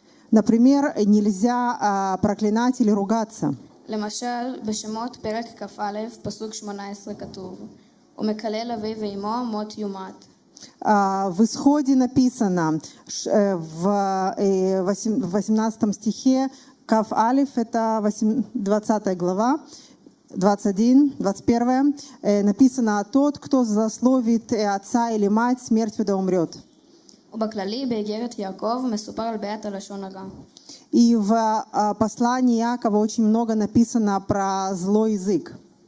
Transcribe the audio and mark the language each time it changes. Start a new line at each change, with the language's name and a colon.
Russian: Например, нельзя проклинать или ругаться.
Hebrew: למשל בשמות פרק כ"א פסוק 18 כתוב ומקלל אבי ואמו מות יומת.
Russian: В исходе написано в 18 стихе Каф Алиф, это 20 глава, 21, написано: тот, кто засловит отца или мать, смертью да умрет.
Hebrew: ובכללי באיגרת יעקב מסופר על בית הלשון הרע.
Russian: И в послании Иакова очень много написано про злой язык.